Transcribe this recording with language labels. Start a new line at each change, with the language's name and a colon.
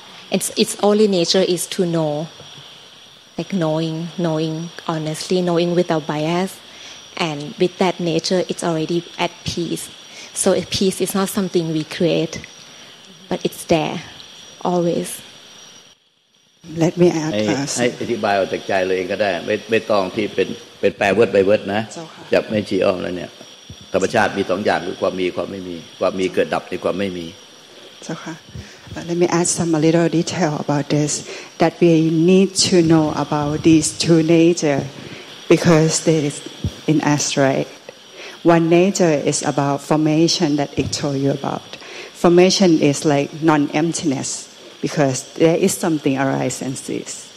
English: Its only nature is to know, like knowing honestly, knowing without bias. And with that nature, it's already at peace. So peace is not something we create, but it's there. Always. Let me add first.
Thai: ให้อธิบายออกจากใจเลยเองก็ได้ไม่ต้องที่เป็นแปลเวิร์ดไปเวิร์ดนะจับไม่ชี้อ้อมแล้วเนี่ยธรรมชาติมีสองอย่างคือความมีความไม่มีความมีเกิดดับในความไม่มี เจ้าค่ะ
English: Let me add some a little detail about this that we need to know about these two nature because they is in astray. One nature is about formation that it told you about. Formation is like non-emptiness because there is something arise and cease.